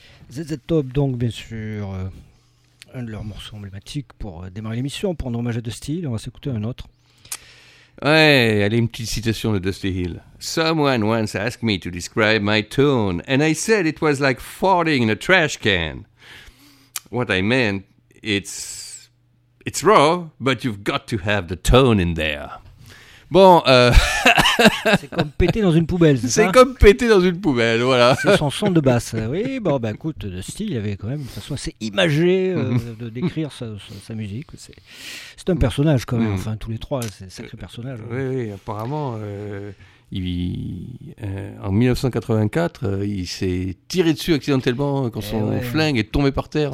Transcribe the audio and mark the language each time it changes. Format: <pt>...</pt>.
<fr>ZZ Top, donc bien sûr, un de leurs morceaux emblématiques pour démarrer l'émission, pour un hommage à Dusty Hill. On va s'écouter un autre. Ouais, allez, une petite citation de Dusty Hill.</fr> <en>Someone once asked me to describe my tone, and I said it was like farting in a trash can. What I meant, it's raw, but you've got to have the tone in there.</en> <fr>Bon, C'est comme péter dans une poubelle, c'est ça? C'est comme péter dans une poubelle, voilà. C'est son son de basse. Oui, bon, bah, écoute, Dusty, il avait quand même une façon assez imagée de décrire sa musique. C'est un personnage, quand même. Mmh. Enfin, tous les trois, c'est un sacré personnage. Oui, oui, apparemment, il vit, en 1984, il s'est tiré dessus accidentellement quand son flingue est tombé par terre.</fr>